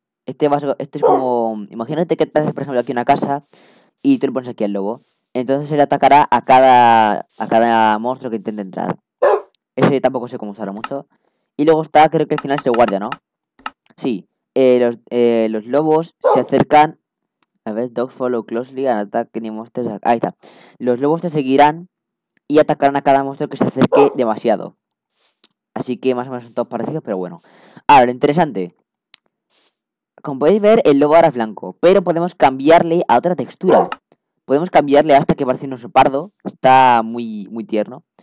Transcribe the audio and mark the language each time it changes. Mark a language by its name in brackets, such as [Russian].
[Spanish] Este es como... Imagínate que te haces, por ejemplo, aquí una casa y tú le pones aquí al lobo. Entonces él atacará a cada monstruo que intente entrar. Ese tampoco sé cómo usarlo mucho. Y luego está, creo que al final es el guardia, ¿no? Sí. Los lobos se acercan. A ver, [English] dogs follow closely and attack any monsters. [Spanish] Ahí está. Los lobos te seguirán y atacarán a cada monstruo que se acerque demasiado. Así que más o menos son todos parecidos, pero bueno. Ahora, lo interesante. Como podéis ver, el lobo ahora es blanco, pero podemos cambiarle a otra textura. Podemos cambiarle hasta que parezca un oso pardo. Está muy, muy tierno.